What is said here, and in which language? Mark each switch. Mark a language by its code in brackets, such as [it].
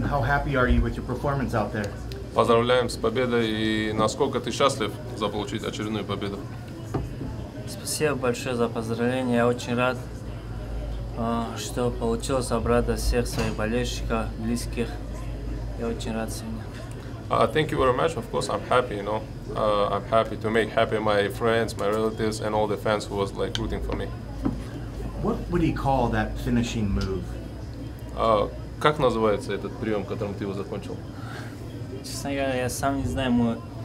[en] How happy are you with your performance out there? [ru] Поздравляем с победой и насколько ты счастлив заполучить очередную победу? Спасибо большое за поздравления. Я очень рад, что получилось обрадовать всех своих болельщиков, близких. Я очень рад сегодня. [en] Thank you very much. Of course, I'm happy. You know, I'm happy to make happy my friends, my relatives, and all the fans who was like rooting for me. What would he call that finishing move? [ru] Как называется этот прием, которым ты его закончил? Честно говоря, я сам не знаю.